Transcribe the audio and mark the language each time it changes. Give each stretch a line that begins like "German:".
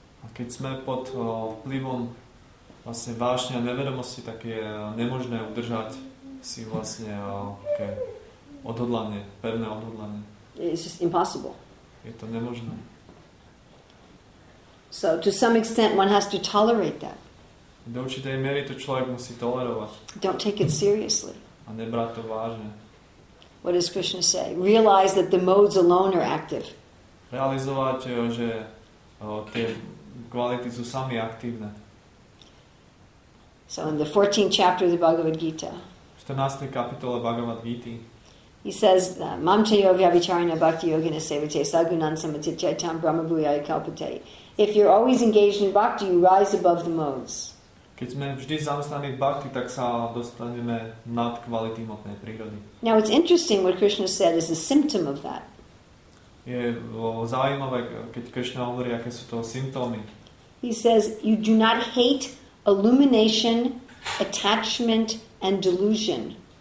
Slovak: Keď sme pod vplyvom vlastne vášne a nevedomosti, tak je nemožné udržať si vlastne odhodlanie, pevné odhodlanie.
English: It's just impossible.
Slovak: Je to nemožné.
English: So to some extent one has to tolerate that.
Slovak: Do určitej miery to človek musí tolerovať.
English: Don't take it seriously.
Slovak: A nebrať to vážne.
English: What does Krishna say? Realize that the modes alone are active.
Slovak: Realizovať, že tie kvality sú sami aktívne.
English: So in the 14th chapter of the Bhagavad Gita.
Slovak: 14. kapitole Bhagavad Gita.
English: He says,
Sanskrit: "Mam chayo vyavicharina bhakti yogina sevate sagunan samatitya tam brahma bhuyai kalpate."
English: If you're always engaged in bhakti, you rise above the modes.
Slovak: Keď sme vždy zamestnaní v bhakti, tak sa dostaneme nad kvality hmotnej prírody.
English: Now it's interesting what Krishna said is a symptom of that.
Slovak: Je zaujímavé, keď Krishna hovorí, aké sú to symptómy.
English: He says, "You do not hate illumination, attachment and delusion."